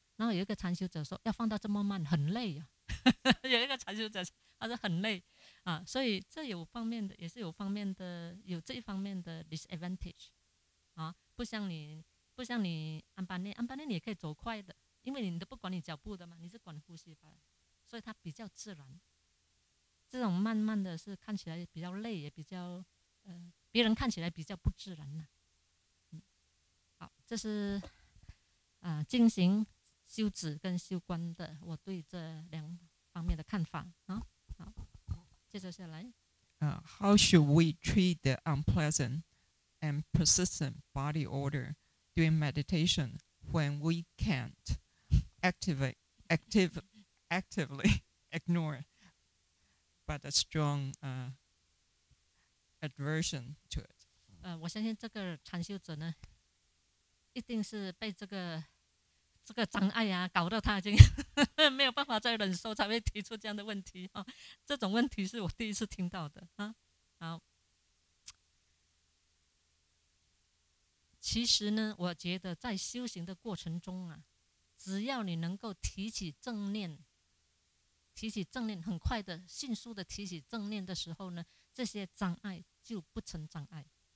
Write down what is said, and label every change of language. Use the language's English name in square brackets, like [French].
[Chinese] 然后有一个禅修者说要放到这么慢很累啊有一个禅修者他说很累啊，所以这有方面的，也是有方面的，有这一方面的 disadvantage 啊，不像你安巴内你也可以走快的，因为你都不管你脚步的嘛，你是管呼吸吧，所以它比较自然，这种慢慢的是看起来比较累，也比较别人看起来比较不自然啊。好，这是进行修止跟修观的我对这两方面的看法啊。好，接着下来 [English] How should we treat the unpleasant and persistent body odor during meditation when we can't actively ignore but a strong aversion to it [Chinese] 我相信这个禅修者呢一定是被这个障碍啊搞到他已经没有办法再忍受，才会提出这样的问题啊。这种问题是我第一次听到的啊。好，其实呢我觉得在修行的过程中啊，只要你能够提起正念，很快的迅速的提起正念的时候呢，这些障碍就不成障碍。